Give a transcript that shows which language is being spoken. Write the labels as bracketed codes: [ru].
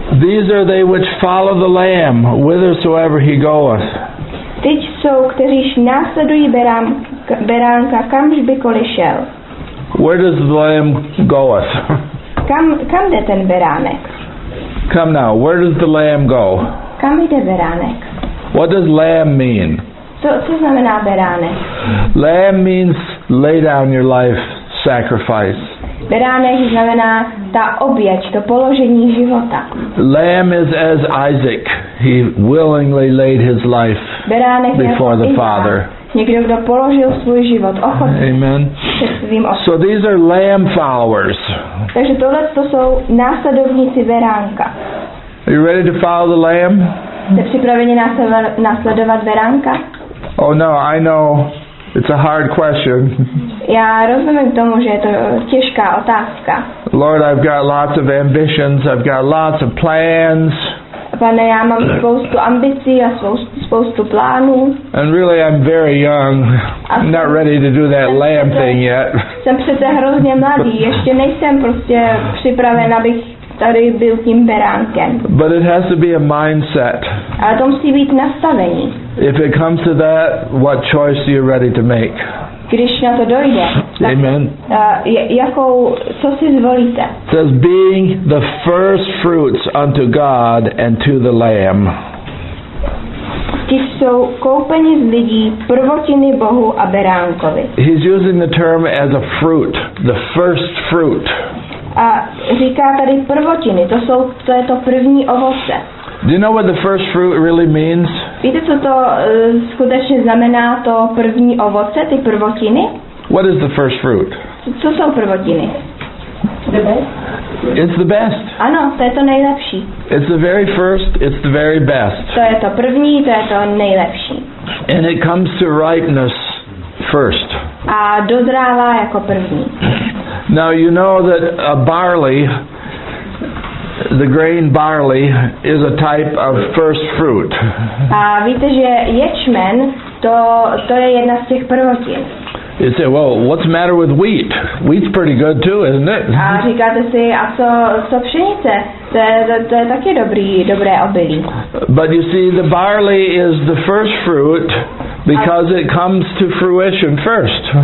[en] These are they which follow the Lamb whithersoever he goeth. [cs] Teď jsou, kteříž následují beránka, kamž bykoliv šel. [en] Where does the Lamb goeth? [cs] Kam jde ten beránek? [en] Come now, where does the Lamb go? [cs] Kam jde beránek? [en] What does Lamb mean? [cs] Co znamená beránek? [en] Lamb means lay down your life sacrifice. [cs] Beránek znamená ta oběť, to položení života. [en] Lamb is as Isaac. He willingly laid his life [cs] beránek [en] before the [cs] Izaak. [en] Father. [cs] Někdo, kdo položil svůj život ochotně. [en] Amen. So these are lamb followers. [cs] Takže tohle to jsou následovníci beránka. [en] Are you ready to follow the lamb? [cs] Jste připraveni následovat beránka? [en] Oh no, I know. It's a hard question. [cs] Já rozumím tomu, že je to těžká otázka. [en] Lord, I've got lots of ambitions. I've got lots of plans. [cs] Pane, já mám spoustu ambicí a spoustu plánů. [en] And really, I'm very young. I'm not ready to do that lamb thing yet. [cs] Jsem přece hrozně mladý. Ještě nejsem prostě připraven, abych tady byl tím beránkem. [en] But it has to be a mindset. [cs] Ale to musí být nastavení. [en] If it comes to that, what choice are you ready to make? [cs] Když na to dojde. [en] Amen. [cs] Jakou, co si zvolíte? [en] It says being the first fruits unto God and to the Lamb. [cs] Ti jsou koupeni z lidí, prvotiny Bohu a beránkovi. [en] He's using the term as a fruit, the first fruit. [cs] A říká tady prvotiny, to je to první ovoce. [en] Do you know what the first fruit really means? [cs] Víte, co to skutečně znamená, to první ovoce, ty prvotiny? [en] What is the first fruit? [cs] Co jsou prvotiny? [en] The best. It's the best. [cs] Ano, to je to nejlepší. [en] It's the very first, it's the very best. [cs] To je to první, to je to nejlepší. [en] And it comes to ripeness first. [cs] A dozrává jako první. [en] Now you know that a barley the grain barley is a type of first fruit. [cs] A víte, že ječmen, to je jedna z těch prvotin. [en] You say, well, what's the matter with wheat? Wheat's pretty good too, isn't it? [cs] A říkáte si, a co pšenice? To je taky dobré obilí. [en] But you see, the barley is the first fruit because it comes to fruition first.